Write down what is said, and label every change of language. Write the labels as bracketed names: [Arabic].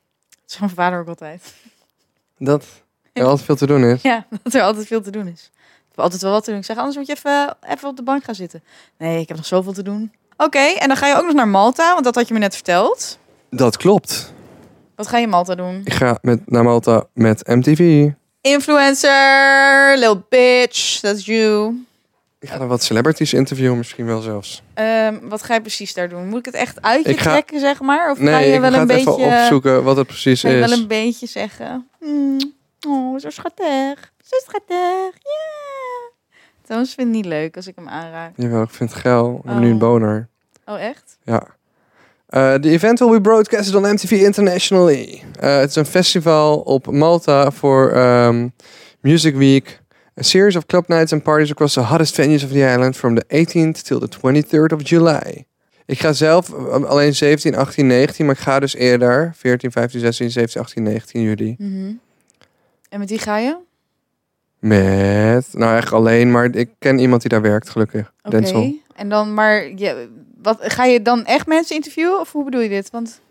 [Dutch] Dat is van mijn vader ook altijd. Dat er altijd veel te doen is. Ja, dat er altijd veel te doen is. Ik heb altijd wel wat te doen. Ik zeg, anders moet je even op de bank gaan zitten. Nee, ik heb nog zoveel te doen. Oké, en dan ga je ook nog naar Malta, want dat had je me net verteld. Dat klopt. Wat ga je in Malta doen? Ik ga naar Malta met MTV. [English] Influencer, little bitch, that's you. [Dutch] Ik ga dan wat celebrities interviewen, misschien wel zelfs. Wat ga je precies daar doen? Moet ik het echt uit je trekken, zeg maar? Of nee, ga je wel een beetje... Nee, ik ga even opzoeken wat het precies is. Ga je wel een beetje zeggen. Oh, zo schattig. Zo schattig, yeah. Thomas vindt het niet leuk als ik hem aanraak. Jawel, ik vind het geil. Ik heb nu een boner. Oh, echt? Ja. [English] The event will be broadcasted on MTV internationally. [Dutch] Het is een festival op Malta voor Music Week. [English] A series of club nights and parties across the hottest venues of the island from the 18th till the 23rd of July. [Dutch] Ik ga zelf alleen 17, 18, 19, maar ik ga dus eerder. 14, 15, 16, 17, 18, 19 juli. Mm-hmm. En met wie ga je? Met, nou echt alleen, maar ik ken iemand die daar werkt, gelukkig. Oké, okay. En dan maar... Ja, wat, ga je dan echt mensen interviewen? Of hoe bedoel je dit? Want